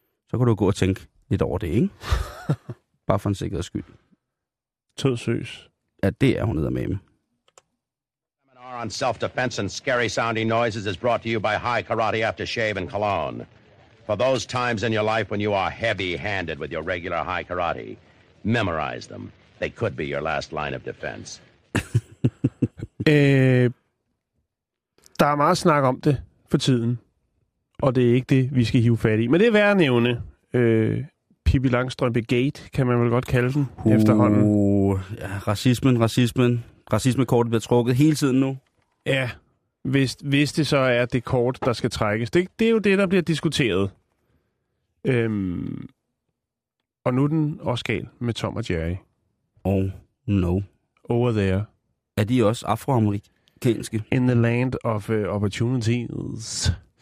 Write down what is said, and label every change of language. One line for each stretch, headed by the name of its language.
Danish: Så kan du gå og tænke lidt over det, ikke? Bare for en sikkerheds skyld. Tød søs. Ja, det er hun eddermame.
English: Seminar on self-defense and scary sounding noises is brought to you by High Karate Aftershave and Cologne. For those times in your life when you are heavy-handed with your regular high karate, memorize them. They could be your last line of defense.
Danish: Der er meget snak om det for tiden, og det er ikke det, vi skal hive fat i. Men det er værd at nævne. Pippi Langstrømpe Gate, kan man vel godt kalde den efterhånden. Ja, racismen. Racismekortet bliver trukket hele tiden nu. Ja, hvis det så er det kort, der skal trækkes. Det er jo det, der bliver diskuteret. Og nu er den også gal med Tom og Jerry.
English: Oh, no. Over there.
Danish: Er de også afroamerikanske?
English: In the land of opportunities.